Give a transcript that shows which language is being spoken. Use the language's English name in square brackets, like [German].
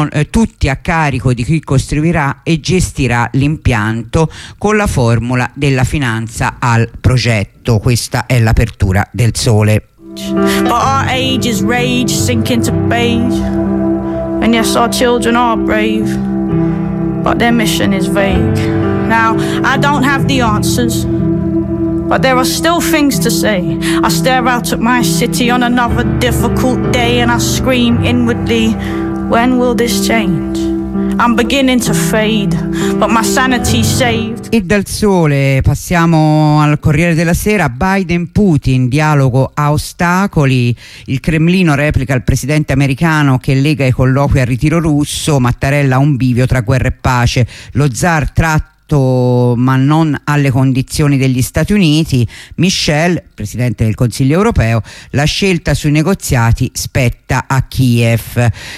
[Italian] Tutti a carico di chi costruirà e gestirà l'impianto, con la formula della finanza al progetto. Questa è l'apertura del Sole. [English] But our age is rage sinking to beige. And yes, our children are brave, but their mission is vague. Now, I don't have the answers, but there are still things to say. I stare out at my city on another difficult day, and I scream inwardly, when will this change? I'm beginning to fade, but my sanity saved. [Italian] E dal Sole passiamo al Corriere della Sera. Biden, Putin, dialogo a ostacoli. Il Cremlino replica al presidente americano che lega i colloqui al ritiro russo. Mattarella, un bivio tra guerra e pace. Lo zar tratta fatto, ma non alle condizioni degli Stati Uniti, Michel, presidente del Consiglio europeo, la scelta sui negoziati spetta a Kiev.